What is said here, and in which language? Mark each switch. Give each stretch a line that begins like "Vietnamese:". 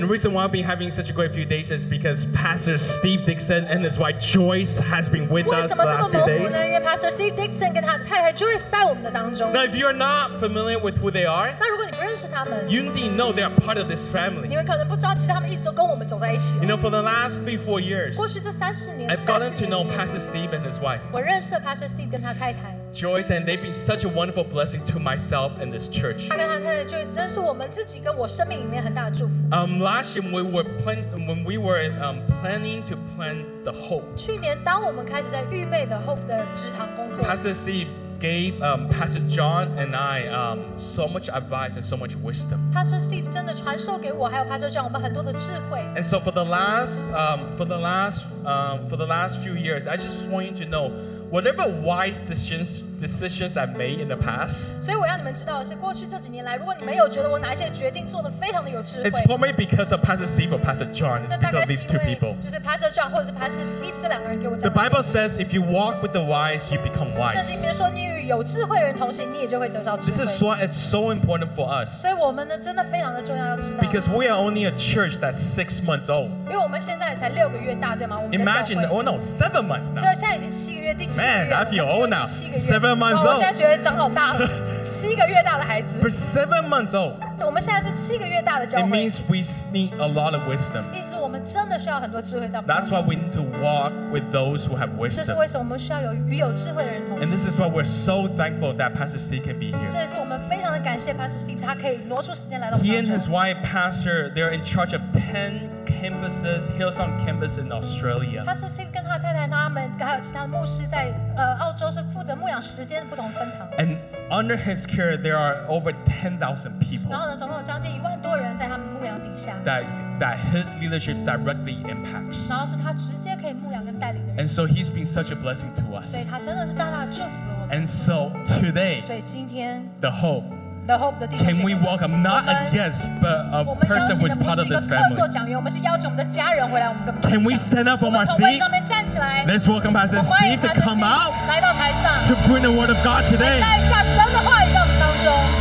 English: And the reason why I've been having such a great few days is because Pastor Steve Dixon and his wife Joyce has been with us the last few days.
Chinese: 为什么这么蒙福呢？因为 Pastor Steve Dixon 跟他的太太 Joyce 在我们的当中。
English: Now, if you are not familiar with who they are,
Chinese: 那如果你不认识他们
English: ，you need to know they are part of this family.
Chinese: 你们可能不知道，其实他们一直都跟我们走在一起。
English: You know, for the last 3-4 years,
Chinese: 过去这三十年
English: ，I've gotten to know Pastor Steve and his wife.
Chinese: 我认识了 Pastor Steve 跟他太太。
English: Joyce and they've been such a wonderful blessing to myself and this church.
Chinese: 他跟他太太 Joyce 真是我们自己跟我生命里面很大的祝福。
English: Last year when we were planning to plant the hope.
Chinese: 去年当我们开始在预备的 hope 的职堂工作。
English: Pastor Steve gave Pastor John and I so much advice and so much wisdom.
Chinese: Pastor Steve 真的传授给我还有 Pastor John 我们很多的智慧。
English: And so for the last few years, I just want you to know. Whatever wise decisions I've made in the past,
Chinese: 所以我要你们知道的是，过去这几年来，如果你们有觉得我哪一些决定做得非常的有智慧
English: ，It's probably because of Pastor Steve or Pastor John. It's because of these two people.
Chinese: 就是 Pastor John 或者是 Pastor Steve 这两个人给我讲。
English: The Bible says if you walk with the wise, you become wise.
Chinese: 圣经里面说，你与有智慧人同行，你也就会得到智慧。
English: This is why it's so important for us.
Chinese: 所以我们呢，真的非常的重要，要知道。
English: Because we are only a church that's 6 months old.
Chinese: 因为我们现在才六个月大，对吗？我们的教会。
English: Imagine, oh no, 7 months now.
Chinese: 这现在已经七个月，第七个月。
English: Man, I feel old now. 7 7 months old。
Chinese: 我现在觉得长好大了，七个月大的孩子。
English: For 7 months old。
Chinese: 我们现在是七个月大的教会。
English: It means we need a lot of wisdom。
Chinese: 意思我们真的需要很多智慧在。
English: That's why we need to walk with those who have wisdom。
Chinese: 这是为什么我们需要与有智慧的人同行。
English: And this is why we're so thankful that Pastor Steve can be here。
Chinese: 这也是我们非常的感谢 Pastor Steve， 他可以挪出时间来到我们。
English: He and his wife Pastor， they're in charge of 10 campuses， Hillsong campus in Australia。
Chinese: Pastor Steve 跟他太太，他们还有其他的牧师在澳洲是负责牧养时间的不同分堂。
English: And under his care， there are over 10,000 people。
Chinese: 然后呢，总共有将近10,000人在他们牧养底下。
English: That his leadership directly impacts。
Chinese: 然后是他直接可以牧养跟带领的人。
English: And so he's been such a blessing to us。
Chinese: 对，他真的是大大的祝福了我们。
English: And so today，
Chinese: 所以今天
English: ，the hope。
Chinese: The hope 的弟兄姐妹，
English: can we welcome not a guest but a person who is part of this family?
Chinese: 我们邀请的不是一个客座讲员，我们是邀请我们的家人回来，我们跟。
English: Can we stand up from our seat?
Chinese: 我们从位置上面站起来。
English: Let's welcome Pastor Steve to come out.
Chinese: 来到台上。
English: To bring the word of God today.
Chinese: 带下神的话语到我们当中。